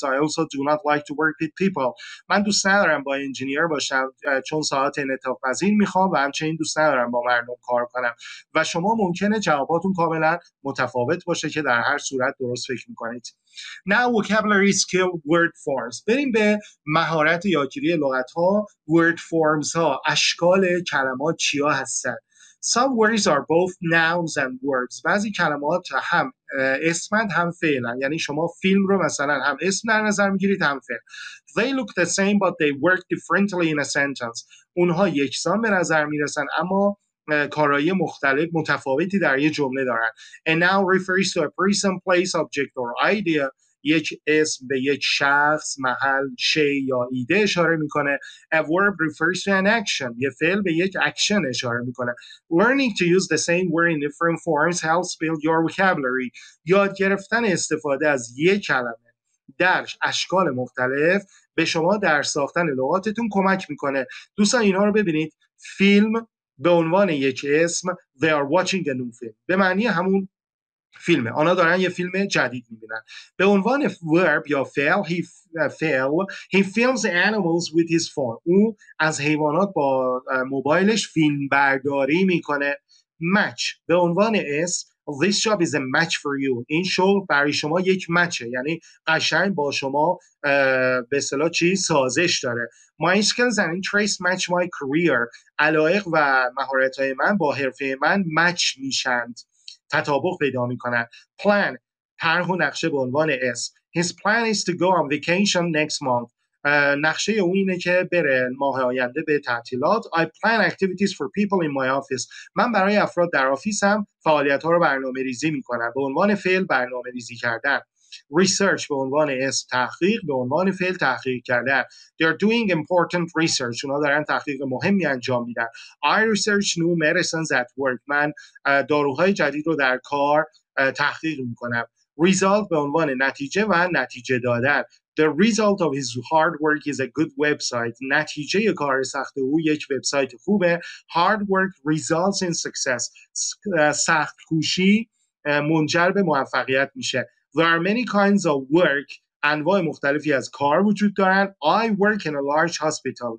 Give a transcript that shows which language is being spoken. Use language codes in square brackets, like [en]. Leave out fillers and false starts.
[en] I also do not like to work with people. [fa] من دوست ندارم bioengineer باشم چون ساعت انعطاف‌پذیر میخوام و همچنین دوست ندارم با مردم کار کنم. و شما ممکنه جواباتون کاملا متفاوت باشه که در هر صورت درست فکر میکنید. [en] Now vocabulary skill word forms. [fa] بریم به مهارت یادگیری لغت ها، word forms ها، اشکال کلمات چیا هستن. [en] Some words are both nouns and verbs. [fa] بعضی کلمات هم اسمند هم فعلن. یعنی شما فیلم رو مثلا هم اسم در نظر میگیرید هم فعل. [en] They look the same but they work differently in a sentence. [fa] اونها یکسان به نظر میرسن اما کارایی مختلف متفاوتی در یه جمله دارن. [en] A noun refers to a person, place, object or idea. [fa] یک اسم به یک شخص، محل، شی یا ایده اشاره میکنه. [en] A verb refers to an action. [fa] یه فعل به یک اکشن اشاره میکنه. [en] Learning to use the same word in different forms helps build your vocabulary. [fa] یاد گرفتن استفاده از یک کلمه در اشکال مختلف به شما در ساختن لغاتتون کمک میکنه. دوستان اینا رو ببینید. فیلم به عنوان یک اسم، [en] they are watching a new film. [fa] به معنی همون فیلمه. آنها دارن یه فیلم جدید میبینن. به عنوان verb یا fail, [en] he films animals with his phone. [fa] او از حیوانات با موبایلش فیلم برداری میکنه. [en] Match [fa] به عنوان اسم، [en] this job is a match for you. [fa] این شغل برای شما یک matche. یعنی قشنگ با شما به اصطلاح چی سازش داره. [en] My skills and interests match my career. [fa] علایق و مهارت‌های من با حرفه من match میشند. تطابق پیدا میکنن. Plan طرح و نقشه به عنوان اسم. [en] His plan is to go on vacation next month. [fa] نقشه او اینه که بره ماه آینده به تعطیلات. [en] I plan activities for people in my office. [fa] من برای افراد در آفیسم فعالیت ها رو برنامه ریزی میکنم. به عنوان فعل برنامه ریزی کردن. Research به عنوان اسم، تحقیق به عنوان فعل تحقیق کردن. [en] They are doing important research. [fa] اونا دارن تحقیق مهمی انجام میدن. [en] I research new medicines at work. [fa] من داروهای جدید رو در کار تحقیق میکنم. Result به عنوان نتیجه و نتیجه دادن. [en] The result of his hard work is a good website. [fa] نتیجه کار سخت او یک وبسایت خوبه. [en] Hard work results in success. [fa] سخت کوشی منجر به موفقیت میشه. [en] There are many kinds of work. [fa] انواع مختلفی از کار وجود دارن. [en] I work in a large hospital.